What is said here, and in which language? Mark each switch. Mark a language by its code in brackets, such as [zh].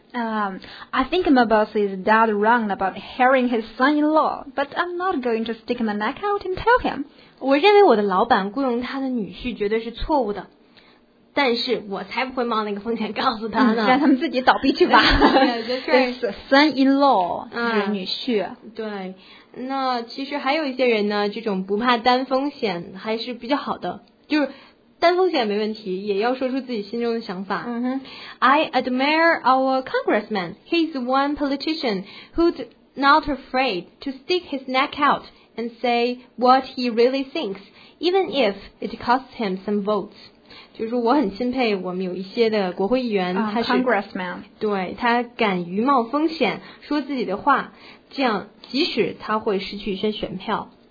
[en] I think my boss is dead wrong about hiring his son-in-law, but I'm not going to stick my neck out and tell him。 [zh] 我认为我的老板雇佣他的女婿绝对是错误的，但是我才不会冒那个风险告诉他呢。让他们自己倒闭去吧。对，就是 son-in-law， 是女婿。对。那其实还有一些人呢，这种不怕担风险还是比较好的，就是担风险没问题，也要说出自己心中的想法。 [en] I admire our congressman. He's one politician who's not afraid to stick his neck out and say what he really thinks, even if it costs him some votes. [zh] 就是我很钦佩我们有一些的国会议员、他是 [en] congressman [zh] 对他敢于冒风险说自己的话这样即使他会失去一些选票